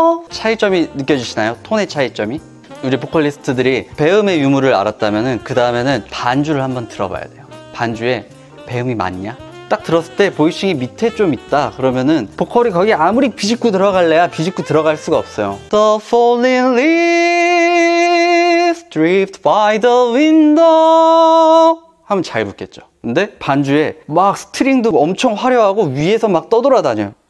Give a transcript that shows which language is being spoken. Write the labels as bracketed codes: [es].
[ko] 차이점이 느껴지시나요? 톤의 차이점이? 우리 보컬리스트들이 배음의 유무를 알았다면 그 다음에는 반주를 한번 들어봐야 돼요. 반주에 배음이 맞냐? 딱 들었을 때 보이싱이 밑에 좀 있다 그러면은 보컬이 거기 아무리 비집고 들어갈래야 비집고 들어갈 수가 없어요. [en] The falling leaves drift by the window [ko] 하면 잘 붙겠죠. 근데 반주에 막 스트링도 엄청 화려하고 위에서 막 떠돌아다녀요.